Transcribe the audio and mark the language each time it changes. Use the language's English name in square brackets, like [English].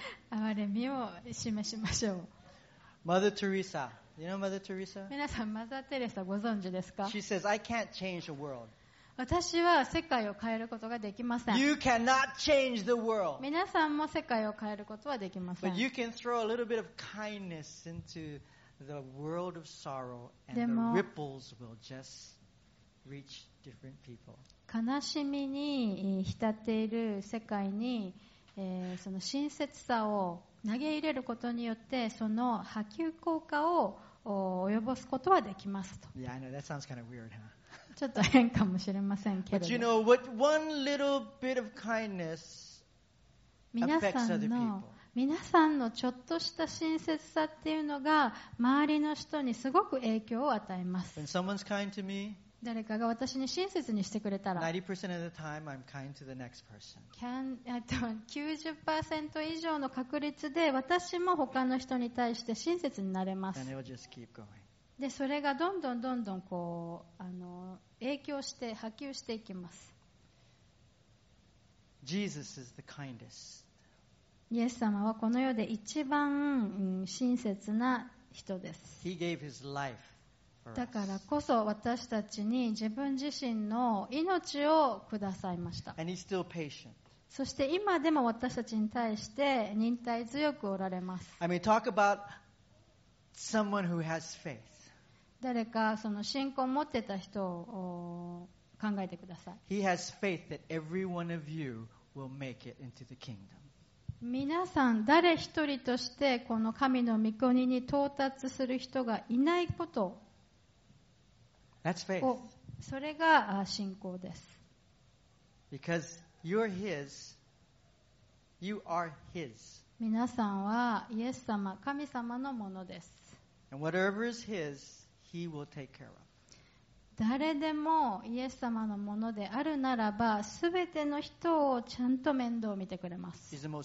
[Japanese] 憐れみを示しましょう。 [English] Mother Teresa, you know Mother Teresa? [Japanese] 皆さんマザーテレサご存知ですか？ [English] She says, I can't change the world. [Japanese] 私は世界を変えることができません。 [English] You cannot change the world. [Japanese] 皆さんも世界を変えることはできません。 [English] But you can throw a little bit of kindness into the world of sorrow, and the ripples will just reach different people. [Japanese] 悲しみに浸っている世界に、その親切さを投げ入れることによって、その波及効果を及ぼすことはできますと。 [English] Yeah, I know that sounds kind of weird, huh? [Japanese] ちょっと変かもしれませんけれど。 [English] But you know, what one little bit of kindness [Japanese] 皆さんのちょっとした親切さっていうのが周りの人にすごく影響を与えます。 [English] When someone's kind to me, [Japanese] 誰かが私に親切にしてくれたら [English] 90% of the time, I'm kind to the next person. [Japanese] 90% 以上の確率で私も他の人に対して親切になれます。 [English] And it will just keep going. [Japanese] でそれがどんどんどんどんこう影響して波及していきます。 [English] Jesus is the kindest. [Japanese] イエス様はこの世で一番親切な人です。 [English] He gave his life for us. [Japanese] だからこそ私たちに自分自身の命をくださいました。 [English] And he's still patient. [Japanese] そして今でも私たちに対して忍耐強くおられます。 [English] I mean, talk about someone who has faith. [Japanese] 誰かその信仰を持ってた人を考えてください。 [English] He has faith that every one of you will make it into the kingdom. [Japanese] 皆さん誰一人としてこの神の御国に到達する人がいないこと。 [English] That's faith. [Japanese] それが信仰です。 [English] Because you're His, you are His. [Japanese] 皆さんはイエス様、神様のものです。 [English] And whatever is His, He will take care of. [Japanese] 誰でもイエス様のものであるならば、すべての人をちゃんと面倒を見てくれます。